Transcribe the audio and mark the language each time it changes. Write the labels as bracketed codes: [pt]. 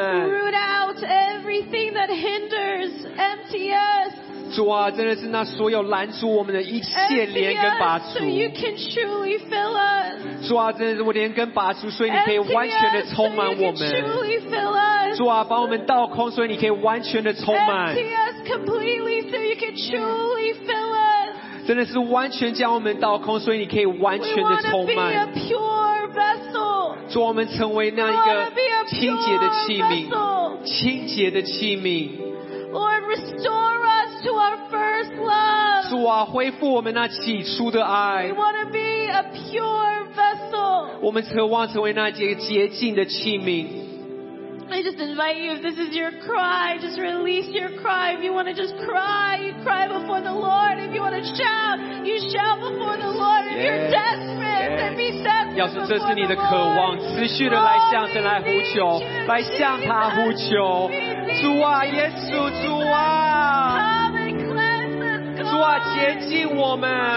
[en] Root out everything that hinders. Empty us. [zh] 主啊，真的是那所有拦阻我们的一切连根拔除。 [en] Empty us, so you can truly fill us. [zh] 主啊，真的是我连根拔除，所以你可以完全的充满我们。 [en] Empty us, so you can truly fill us. [zh] 主啊，把我们倒空，所以你可以完全的充满。 [en] Empty us completely, so you can truly fill us. [zh] 真的是完全将我们倒空，所以你可以完全的充满。 [en] We want to be a pure vessel. [zh] 主，我们成为那一个清洁的器皿，清洁的器皿。 [en] Lord, restore us to our first love. [zh] 主啊，恢复我们那起初的爱。 [en] We want to be a pure vessel. [zh] 我们渴望成为那一个洁净的器皿。 [en] I just invite you, if this is your cry, just release your cry. If you want to just cry, you cry before the Lord. If you want to shout, you shout before the Lord. If you're desperate, then be desperate. [zh] 要是这是你的渴望，持续的来向神来呼求，来向他呼求。主啊，耶稣，主啊，主啊，洁净我们。